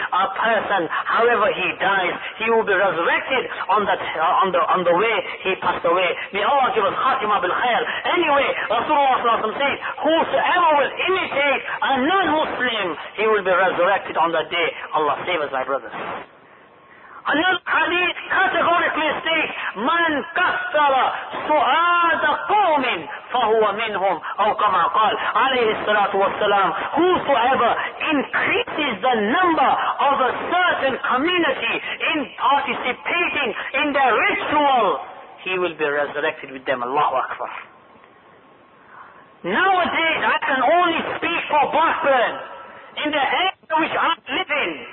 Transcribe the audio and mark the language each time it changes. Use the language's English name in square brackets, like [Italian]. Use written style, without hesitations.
[English] A person, however he dies, he will be resurrected on the way he passed away. May Allah give us khatima bil khair. Anyway, Rasulullah says, whosoever will imitate a non-Muslim, he will be resurrected on that day. Allah save us, my brothers. Another hadith categorically states, [Arabic] مَنْ كَثَّرَ سُعَادَ قَوْمٍ فَهُوَ مِنْهُمْ أَوْ كَمَا قَالْ عَلَيْهِ السَّلَاةُ وَالسَّلَامُ. [English] Whosoever increases the number of a certain community in participating in their ritual, he will be resurrected with them. Allahu Akbar. Nowadays, I can only speak for Blackburn in the area which I live in.